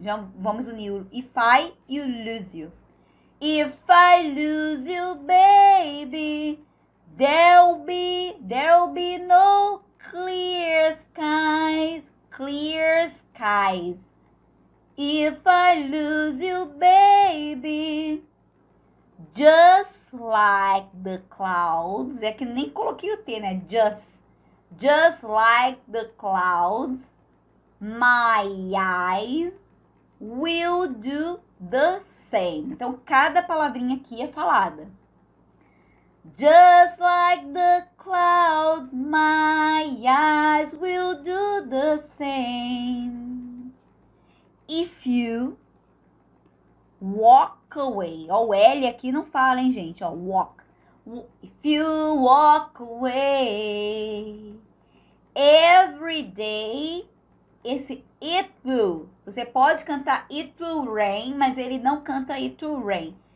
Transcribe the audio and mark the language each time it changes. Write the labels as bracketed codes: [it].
[pt] Já vamos unir o [en] if I [pt] e o [en] lose you. If I lose you, baby, there'll be no clear skies. Clear skies. If I lose you, baby, just like the clouds. [pt] É que nem coloquei o T, né? [en] Just like the clouds, my eyes will do the same. [pt] Então, cada palavrinha aqui é falada. [en] Just like the clouds, my eyes will do the same. If you walk away. [pt] Ó, o L aqui não fala, hein, gente? Ó, walk. [en] If you walk away. Every day, esse it will. [pt] Você pode cantar [en] it will rain, [pt] mas ele não canta it will rain.